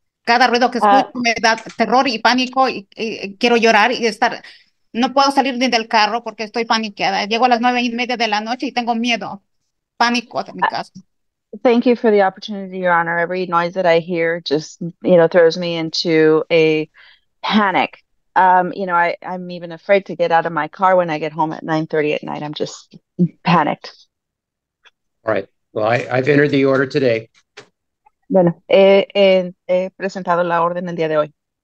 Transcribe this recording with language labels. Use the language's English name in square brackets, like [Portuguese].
[Spanish] Cada ruido que escucho me da terror y pánico y quiero llorar y estar. No puedo salir ni del carro porque estoy paniqueada. Llego a las 9:30 de la noche y tengo miedo. Pánico en mi caso. [English] Thank you for the opportunity, Your Honor. Every noise that I hear just, you know, throws me into a panic. You know, I'm even afraid to get out of my car when I get home at 9:30 at night. I'm just panicked. All right. Well, I've entered the order today. [Spanish] Bueno, he presentado la orden el día de hoy.